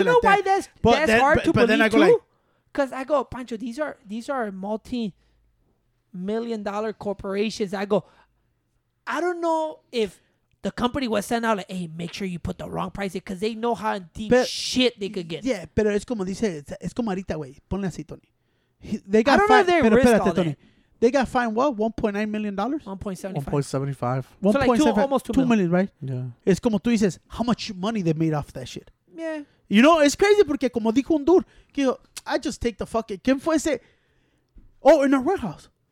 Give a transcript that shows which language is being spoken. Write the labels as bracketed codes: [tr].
[en] shit like that. You know why that's hard to believe, too? Because like, I go, Pancho, these are multi-million-dollar corporations. I go, I don't know if the company was sent out like, hey, make sure you put the wrong price because they know how deep shit they could get. [es] Yeah, pero es como dice, es como ahorita, güey. Ponle así, Tony. [en] I don't know if they risk all that. They got fined what? $1.9 million? $1.75 million. So like almost $2 million, right? Yeah. It's [es] como tú dices, [en] how much money they made off that shit. Yeah. You know, it's crazy [es] porque como dijo un dur, que yo, [en] I just take the fucking, [es] ¿quién fue ese? [en] Oh, in our warehouse.